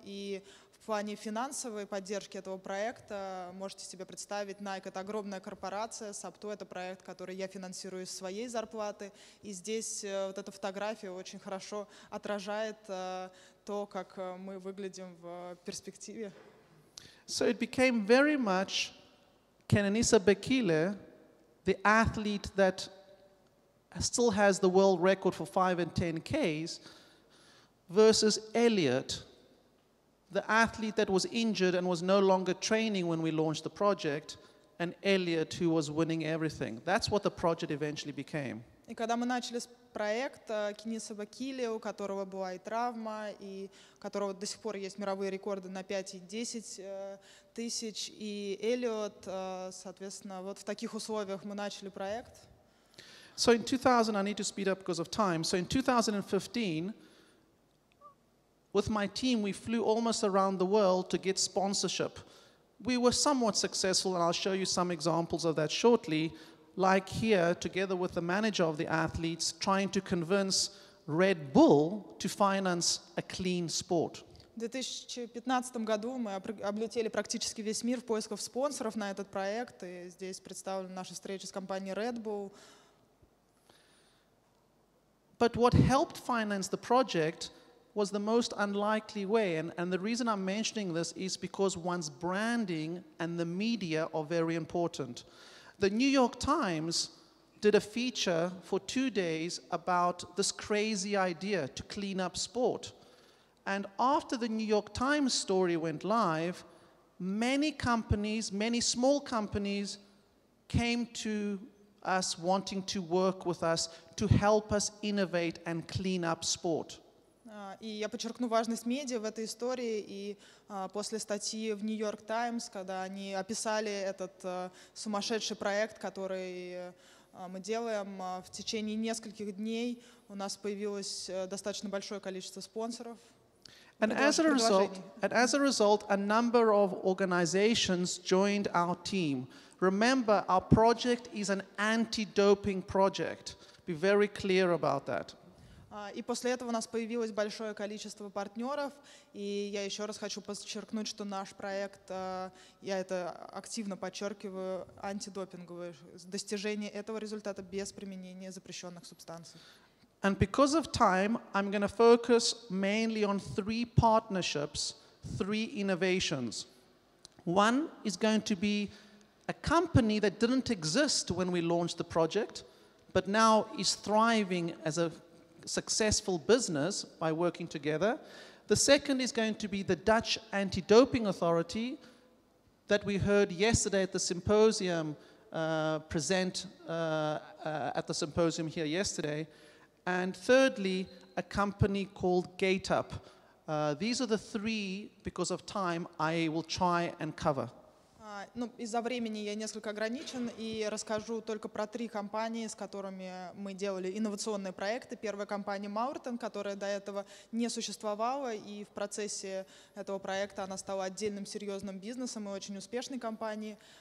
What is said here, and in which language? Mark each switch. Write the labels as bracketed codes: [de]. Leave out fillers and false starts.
[ru] И в плане финансовой поддержки этого проекта можете себе представить, Nike — это огромная корпорация, SAP2 — это проект, который я финансирую из своей зарплаты. И здесь вот эта фотография очень хорошо отражает то, как мы выглядим в перспективе. [en] So it became very much Kenenisa Bekele, the athlete that still has the world record for 5 and 10Ks, versus Elliot, the athlete that was injured and was no longer training when we launched the project, and Elliot, who was winning everything. That's what the project eventually became. [ru] И когда мы начали проект Кениса Бакили, у которого была и травма, и у которого до сих пор есть мировые рекорды на 5 и 10 тысяч, и Эллиот, соответственно, вот в таких условиях мы начали проект. [en] So in 2000, I need to speed up because of time. So in 2015, with my team, we flew almost around the world to get sponsorship. We were somewhat successful, and I'll show you some examples of that shortly, like here, together with the manager of the athletes, trying to convince Red Bull to finance a clean sport. [ru] В 2015 году мы облетели практически весь мир в поисках спонсоров на этот проект, и здесь представлена наша встреча с компанией Red Bull. [en] But what helped finance the project was the most unlikely way, and the reason I'm mentioning this is because one's branding and the media are very important. The New York Times did a feature for 2 days about this crazy idea to clean up sport. And after the New York Times story went live, many companies, many small companies, came to us wanting to work with us to help us innovate and clean up sport. [ru] И я подчеркну важность медиа в этой истории. И после статьи в New York Times, когда они описали этот сумасшедший проект, который мы делаем, в течение нескольких дней у нас появилось достаточно большое количество спонсоров. [en] And as a result, a number of organizations joined our team. Remember, our project is an anti-doping project. Be very clear about that. [ru] И после этого у нас появилось большое количество партнеров, и я еще раз хочу подчеркнуть, что наш проект, я это активно подчеркиваю, антидопинговый, достижение этого результата без применения запрещенных субстанций. [en] And because of time, I'm going to focus mainly on three partnerships, three innovations. One is going to be a company that didn't exist when we launched the project, but now is thriving as a successful business by working together. The second is going to be the Dutch anti-doping authority that we heard yesterday at the symposium at the symposium here yesterday. And thirdly, a company called GateUp. These are the three, because of time, I will try and cover. [ru] Ну, из-за времени я несколько ограничен и расскажу только про три компании, с которыми мы делали инновационные проекты. Первая компания Mauritan, которая до этого не существовала, и в процессе этого проекта она стала отдельным серьезным бизнесом и очень успешной компанией.